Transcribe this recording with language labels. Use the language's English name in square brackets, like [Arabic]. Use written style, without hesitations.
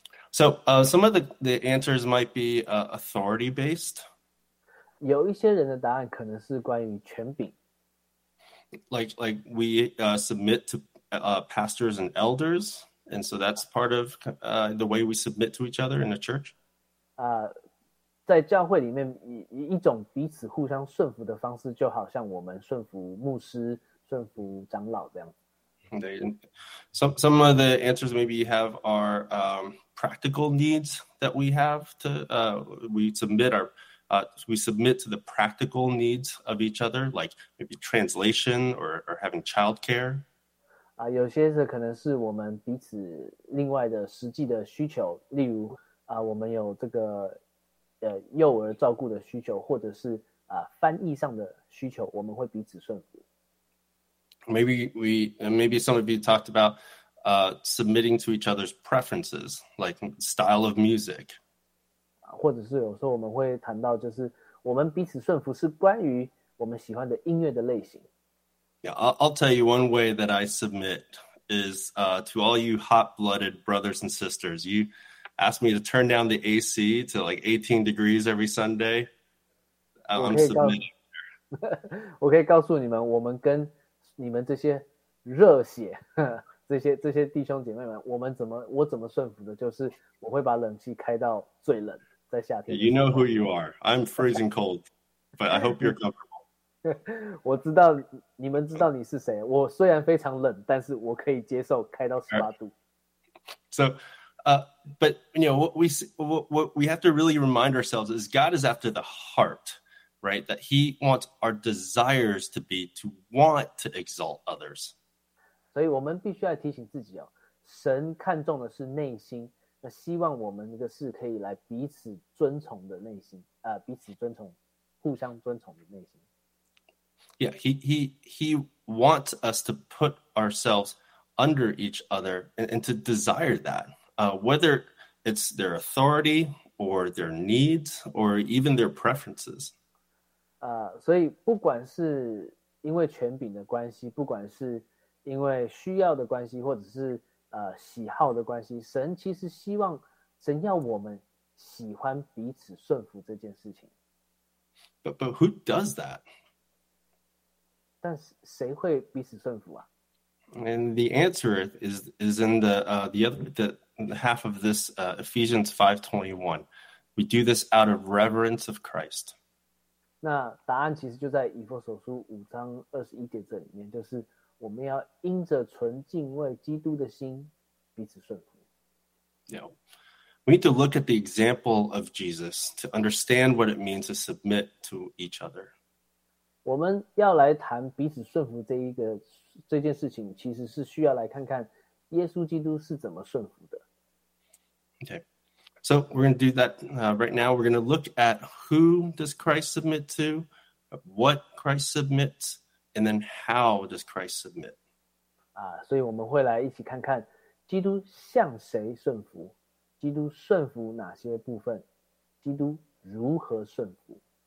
[English] So some of the answers might be authority based. [Chinese] 有一些人的答案可能是关于权柄。 [English] Like we submit to pastors and elders. And so that's part of the way we submit to each other in the church. [Chinese] 在教会里面一种彼此互相顺服的方式就好像我们顺服牧师顺服长老这样。 [English] Some of the answers maybe you have are practical needs that we have to we submit to the practical needs of each other, like maybe translation or having childcare. [Chinese] 有些是可能是我们彼此另外的实际的需求，例如我们有这个幼儿照顾的需求，或者是翻译上的需求，我们会彼此顺服。 [English] Maybe some of you talked about submitting to each other's preferences, like style of music. [Chinese] 或者是有时候我们会谈到就是我们彼此顺服是关于我们喜欢的音乐的类型。 [English] Yeah, I'll tell you one way that I submit is to all you hot-blooded brothers and sisters. You ask me to turn down the AC to like 18 degrees every Sunday. I'm submitting. [Chinese] 我可以告诉你们，我们跟你们这些热血这些弟兄姐妹们，我怎么顺服的，就是我会把冷气开到最冷，在夏天。 [English] You know who you are. I'm freezing cold, but I hope you're comfortable. [Chinese] 我知道你们知道你是谁。我虽然非常冷，但是我可以接受开到18度。 [English] So, but you know what we have to really remind ourselves is God is after the heart, right? That He wants our desires to be to want to exalt others. [Chinese] 所以我们必须要提醒自己哦，神看重的是内心，那希望我们的是可以来彼此尊崇的内心，彼此尊崇，互相尊崇的内心。 [English] Yeah, he wants us to put ourselves under each other and to desire that, whether it's their authority or their needs or even their preferences. [Chinese] 所以不管是因为权柄的关系，不管是因为需要的关系，或者是喜好的关系，神其实希望，神要我们喜欢彼此顺服这件事情。 [English] But who does that? [Chinese] 但谁会彼此顺服啊？ [English] And the answer is in the half of this Ephesians 5:21. We do this out of reverence of Christ. [Chinese] 那答案其实就在以弗所书五章二十一节这里面，就是我们要因着纯敬畏基督的心彼此顺服。 [English] Yeah, we need to look at the example of Jesus to understand what it means to submit to each other. [Chinese] 我们要来谈彼此顺服这件事情，其实是需要来看看耶稣基督是怎么顺服的。 [English] Okay, so we're going to do that right now. We're going to look at who does Christ submit to, what Christ submits, and then how does Christ submit. [Chinese] 所以我们会来一起看看基督向谁顺服，基督顺服哪些部分，基督如何顺服。